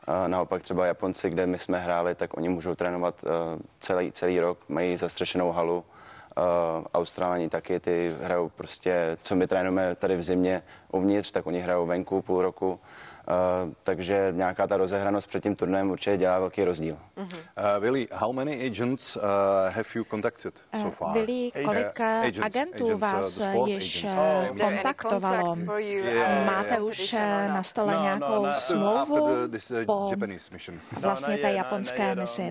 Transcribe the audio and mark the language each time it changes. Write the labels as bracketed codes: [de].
[cs] Naopak třeba Japonci, kde my jsme hráli, tak oni můžou trénovat celý rok, mají zastřešenou halu. Australani taky, ty hrajou prostě, co my trénujeme tady v zimě uvnitř, tak oni hrajou venku půl roku. Takže nějaká ta rozehranost před tím turnajem určitě dělá velký rozdíl. [en] Willie, how many agents have you contacted so far? [cs] Willie, kolik agentů vás již kontaktovalo? Máte už na stole nějakou smlouvu po vlastně té japonské misi?